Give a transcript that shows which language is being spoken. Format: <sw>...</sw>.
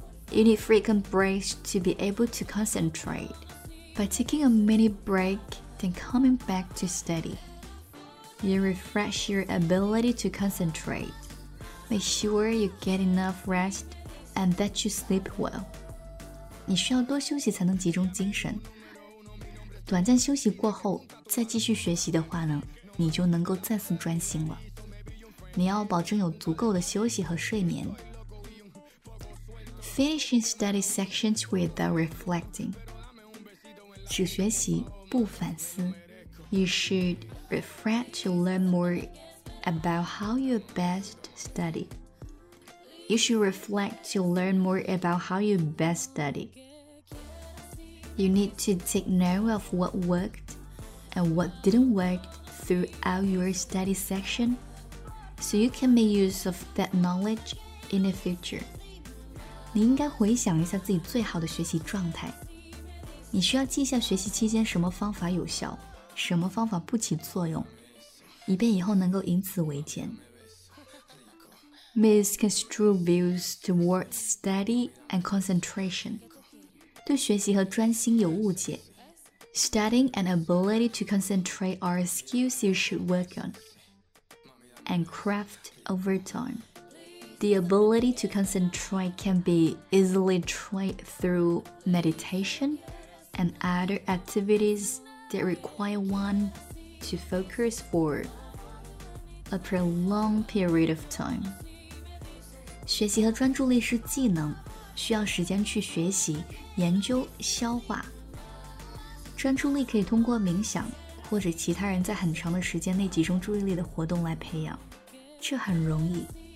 <en>You need frequent breaks to be able to concentrate. By taking a mini break, then coming back to study, you refresh your ability to concentrate. Make sure you get enough rest and that you sleep well.</en> <zh>你需要多休息才能集中精神。短暂休息过后，再继续学习的话呢，你就能够再次专心了。你要保证有足够的休息和睡眠。</zh> <en>Finishing study sections without reflecting，</en> <zh>只学习不反思。</zh> <en>You should reflect to learn more about how you best study. You should reflect to learn more about how you best study. You need to take note of what worked and what didn't work throughout your study section. So you can make use of that knowledge in the future.</en> <zh>你应该回想一下自己最好的学习状态。你需要记下学习期间什么方法有效，什么方法不起作用，以便以后能够以此为鉴。</zh> <en>Misconstrued views towards study and concentration.</en> <zh>对学习和专心有误解。</zh> <en>Studying and ability to concentrate are skills you should work on. And craft over time. The ability to concentrate can be easily trained through meditation and other activities that require one to focus for a prolonged period of time.</en> <zh>学习和专注力是技能，需要时间去学习、研究、消化。专注力可以通过冥想或者其他人在很长的时间内集中注意力的活动来培养，这很容易。</zh>